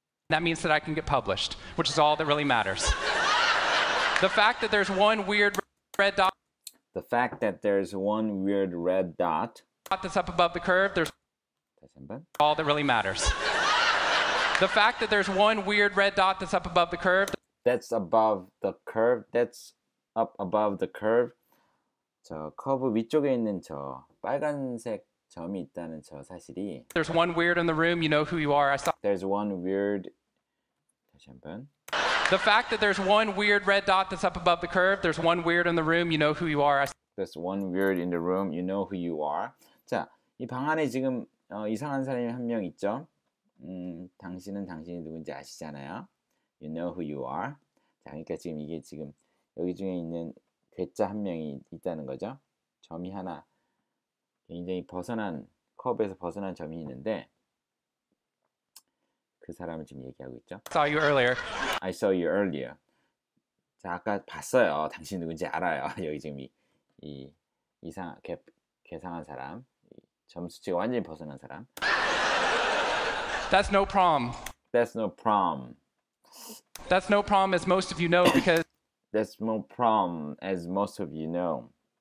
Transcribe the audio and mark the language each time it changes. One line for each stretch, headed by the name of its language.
English: That means that I can get published, which is all that really matters. The fact that there's one weird red dot. The fact that there's one weird red dot. Dot that's up above the curve. There's.
Korean: 다시 한 번.
English: All that really matters. The fact that there's one weird red dot that's up above the curve. That's above the curve. That's up above the curve.
Korean: 저 커브 위쪽에 있는 저 빨간색 점이 있다는 저 사실이.
English: There's one weird in the room. You know who you are. I saw. There's one weird.
Korean: 다시 한 번.
English: The fact that there's one weird red dot that's up above the curve. There's one weird in the room. You know who you are. There's one weird in the room. You know who you are.
Korean: 자, 이 방 안에 지금 이상한 사람이 한 명 있죠. 당신은 당신이 누군지 아시잖아요.
English: You know who you are.
Korean: 자, 그러니까 지금 이게 지금 여기 중에 있는 괴짜 한 명이 있다는 거죠. 점이 하나. 굉장히 벗어난 컵에서 벗어난 점이 있는데 그 사람을 지금 얘기하고 있죠.
English: Saw you earlier. I saw you earlier.
Korean: 자, 아까 봤어요. 당신 누군지 알아요. 여기 지금 이상한 사람. 점 수치가 완전히 벗어난 사람.
English: That's no problem. That's no problem. That's no problem as most of you know because That's no problem as most of you know.